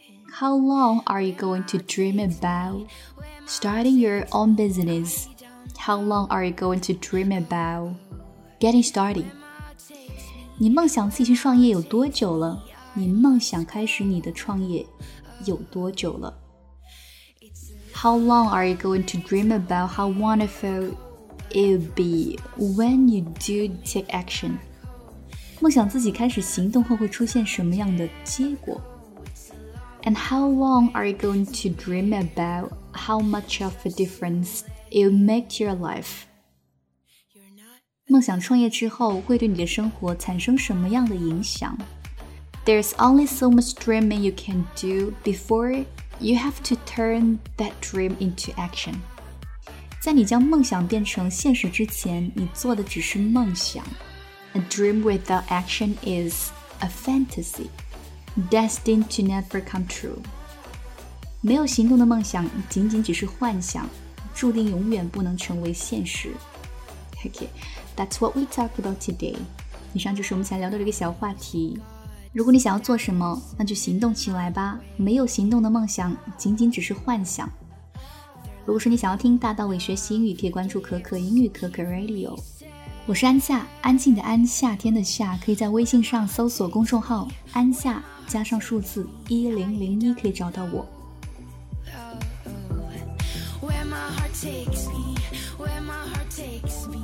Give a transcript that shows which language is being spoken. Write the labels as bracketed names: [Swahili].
[English] How long are you going to dream about starting your own business？ How long are you going to dream about getting started？ [Chinese] 你梦想自己创业有多久了？你梦想开始你的创业有多久了？ [English] How long are you going to dream about how wonderful it'll be when you do take action? [Chinese] 梦想自己开始行动后会出现什么样的结果？ [English] And how long are you going to dream about how much of a difference it'll make to your life? [Chinese] 梦想创业之后会对你的生活产生什么样的影响？ [English] There's only so much dreaming you can do beforeYou have to turn that dream into action. [Chinese] 在你将梦想变成现实之前，你做的只是梦想。 [English] A dream without action is a fantasy, destined to never come true. [Chinese] 没有行动的梦想仅仅只是幻想，注定永远不能成为现实。 [English] Okay, that's what we talk about today. [Chinese] 以上就是我们想聊的一个小话题。如果你想要做什么，那就行动起来吧。没有行动的梦想，仅仅只是幻想。如果说你想要听大道理学习英语，可以关注可可英语可可 Radio。我是安夏，安静的安，夏天的夏，可以在微信上搜索公众号安夏加上数字1001，可以找到我。 [English] Oh, oh, where my heart takes me, where my heart takes me.